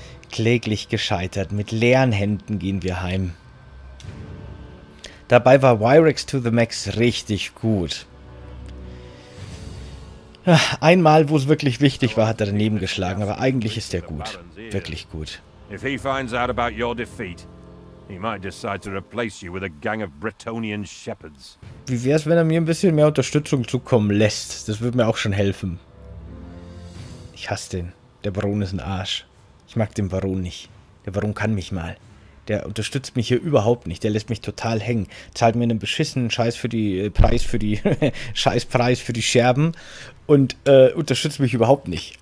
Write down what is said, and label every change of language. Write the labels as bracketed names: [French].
[German] Kläglich gescheitert. Mit leeren Händen gehen wir heim. Dabei war Wyrex to the Max richtig gut. Einmal, wo es wirklich wichtig war, hat er daneben geschlagen. Aber eigentlich ist er gut. Wirklich gut. [English] If he finds out about your defeat, he might decide to replace you with a gang of Bretonian shepherds. [German] Wie wäre es, wenn er mir ein bisschen mehr Unterstützung zukommen lässt? Das würde mir auch schon helfen. Ich hasse den. Der Baron ist ein Arsch. Ich mag den Baron nicht. Der Baron kann mich mal. Der unterstützt mich hier überhaupt nicht. Der lässt mich total hängen. Zahlt mir einen beschissenen Scheiß für die Preis für die Scheißpreis für die Scherben und unterstützt mich überhaupt nicht.